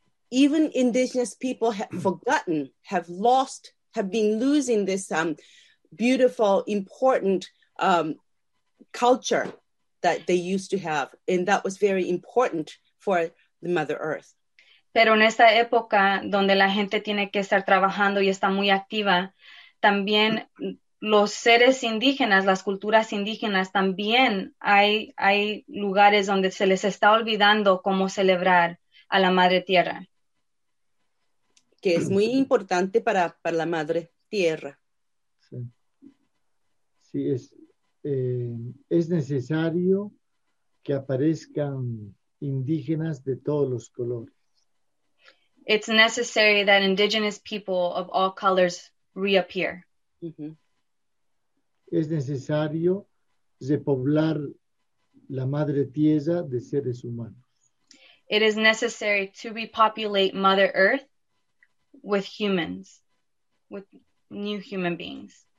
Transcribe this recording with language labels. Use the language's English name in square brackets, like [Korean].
[English] Even indigenous people have forgotten, have lost, have been losing this beautiful, important culture that they used to have. And that was very important for the Mother Earth. [Spanish] Pero en esta época donde la gente tiene que estar trabajando y está muy activa, también los seres indígenas, las culturas indígenas, también hay lugares donde se les está olvidando cómo celebrar a la Madre Tierra. Que es muy importante para la Madre Tierra. Sí, es necesario que aparezcan indígenas de todos los colores. [English] It's necessary that indigenous people of all colors reappear. [Spanish] Es necesario repoblar la Madre Tierra de seres humanos. [English] It is necessary to repopulate Mother Earth with humans, with new human beings.